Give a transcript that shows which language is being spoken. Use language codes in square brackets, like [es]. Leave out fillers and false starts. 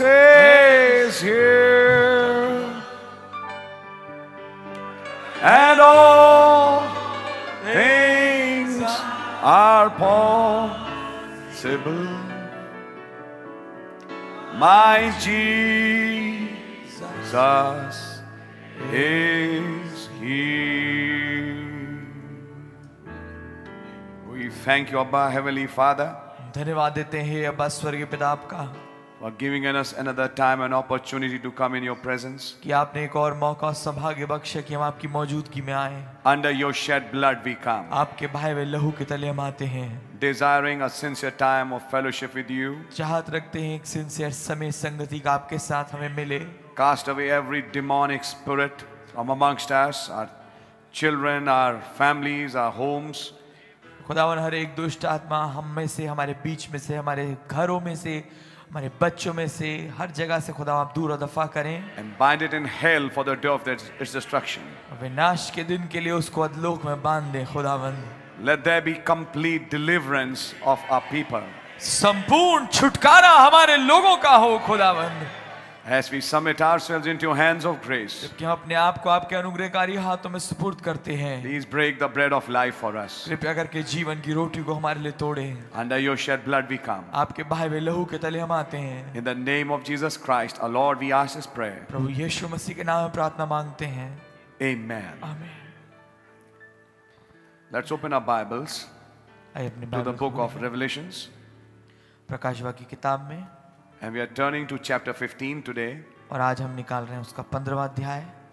[en] is here, and all things are possible. My Jesus is here. We thank you, Abba, Heavenly Father. [hi] धन्यवाद देते हैं अब्बा स्वर्गीय पिता आपका. [en] For giving us another time and opportunity to come in your presence. Under your shed blood we come. Desiring a sincere time of fellowship with you. [hi] चाहत रखते हैं एक सिंसियर समय संगति का आपके साथ हमें मिले. [en] Cast away every demonic spirit from amongst us, our children, our families, our homes. [hi] खुदावन हर एक दुष्ट आत्मा हम में से हमारे बीच में से हमारे घरों में से हमारे बच्चों में से हर जगह से खुदा आप दूर दफा करें. [en] And bind it in hell for the day of its destruction. [hi] विनाश के दिन के लिए उसको अधलोक में बांध दे खुदावन. [en] Let there be complete deliverance of our people. [hi] संपूर्ण छुटकारा हमारे लोगों का हो खुदावन. [en] As we submit ourselves into your hands of grace. [hi] जबकि हम अपने आप को आपके अनुग्रहकारी हाथों में सुपुर्द करते हैं. [en] Please break the bread of life for us. [hi] कृपया करके जीवन की रोटी को हमारे लिए तोड़ें. [en] Under your shed blood we come. [hi] आपके बहाए हुए लहू के तले हम आते हैं. [en] In the name of Jesus Christ, our Lord, we ask this prayer. [hi] प्रभु यीशु मसीह के नाम में प्रार्थना मांगते हैं. [en] Amen. Amen. Let's open our Bibles to the book of Revelations. [hi] प्रकाशवाक्य की किताब में. [en] And we are turning to chapter 15 today. [hi] और आज हम निकाल रहे हैं उसका 15वां अध्याय.